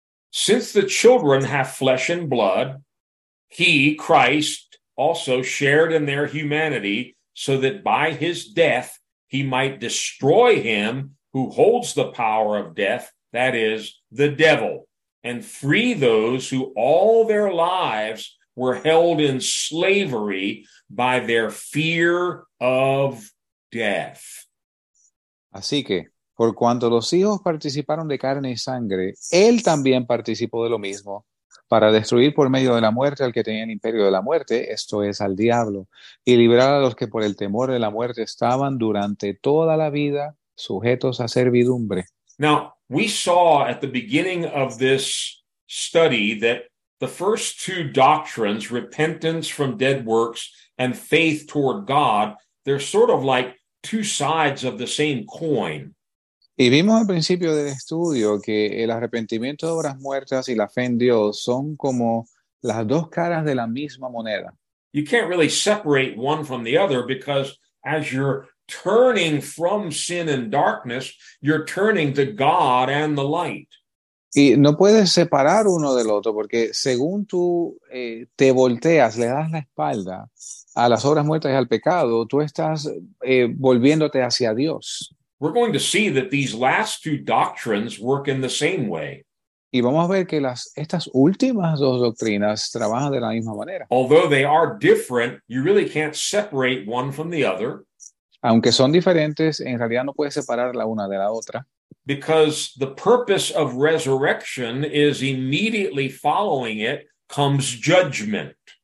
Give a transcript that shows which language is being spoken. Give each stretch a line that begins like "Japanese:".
English: Since the children have flesh and blood, he, Christ, also shared in their humanity, so that by his death he might destroy him who holds the power of death, that is, the devil, and free those who all their lives were held in slavery by their fear of death.
Spanish: Así que, por cuanto los hijos participaron de carne y sangre, él también participó de lo mismo, para destruir por medio de la muerte al que tenía el imperio de la muerte, esto es, al diablo, y liberar a los que por el temor de la muerte estaban durante toda la vida sujetos a servidumbre.
English: Now, we saw at the beginning of this study that the first two doctrines, repentance from dead works and faith toward God, they're sort of like two sides of the same coin.
Spanish: Y vimos al principio del estudio que el arrepentimiento de obras muertas y la fe en Dios son como las dos caras de la misma moneda.
English: You can't really separate one from the other because as you're turning from sin and darkness, you're turning to God and the light.
Spanish: Y no puedes separar uno del otro porque según tú te volteas, le das la espalda a las obras muertas y al pecado, tú estás volviéndote hacia Dios.
English: We're going to see that these last two doctrines work in the same way.
Spanish: Y vamos a ver que estas últimas dos doctrinas trabajan de la misma manera.
English: Although they are different, you really can't separate one from the other.
Spanish: Aunque son diferentes, en realidad no puedes separar la una de la otra.
English: Because the purpose of resurrection is immediately following it comes judgment.